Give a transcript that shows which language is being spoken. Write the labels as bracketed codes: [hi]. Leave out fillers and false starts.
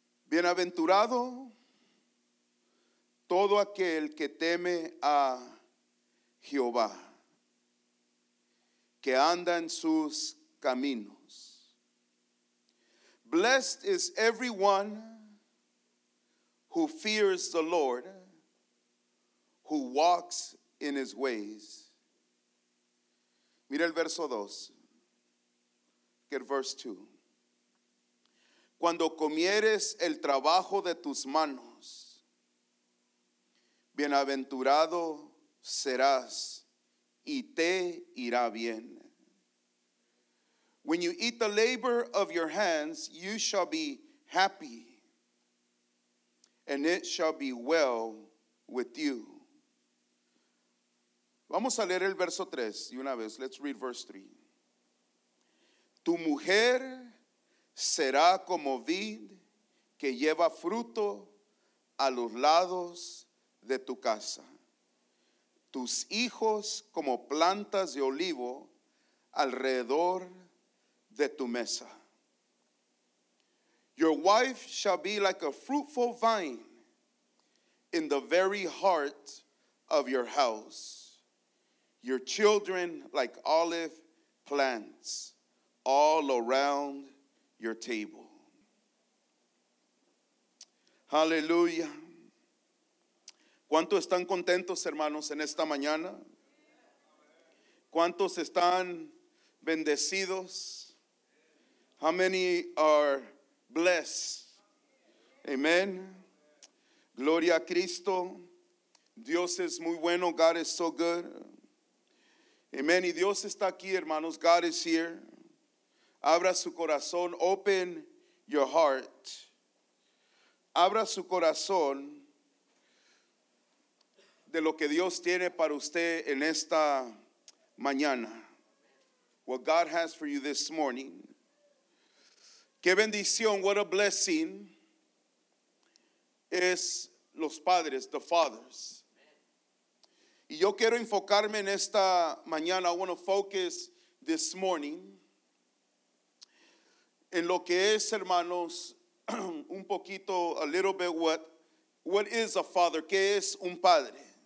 [es] Bienaventurado todo aquel que teme a Jehová, que anda en sus caminos. [en] Blessed is everyone who fears the Lord, who walks in his ways. [es] Mira el verso 2. [en] Get verse 2. [es] Cuando comieres el trabajo de tus manos, bienaventurado serás y te irá bien. [en] When you eat the labor of your hands, you shall be happy, and it shall be well with you. [es] Vamos a leer el verso 3 y una vez. [en] Let's read verse 3. [es] Tu mujer será como vid que lleva fruto a los lados de tu casa. Tus hijos como plantas de olivo alrededor de tu mesa. [en] Your wife shall be like a fruitful vine in the very heart of your house. Your children like olive plants all around your table. Hallelujah. [es] ¿Cuántos están contentos, hermanos, en esta mañana? ¿Cuántos están bendecidos? [en] How many are blessed? Amen. [es] Gloria a Cristo. Dios es muy bueno. [en] God is so good. [es] Amen. Y Dios está aquí, hermanos. [en] God is here. [es] Abra su corazón. [en] Open your heart. [es] Abra su corazón de lo que Dios tiene para usted en esta mañana. [en] What God has for you this morning. [es] Qué bendición, [en] what a blessing, [es] es los padres, [en] the fathers. [es] Y yo quiero enfocarme en esta mañana, [en] I want to focus this morning, [es] en lo que es, hermanos, un poquito, [en] a little bit, what is a father, [es] qué es un padre.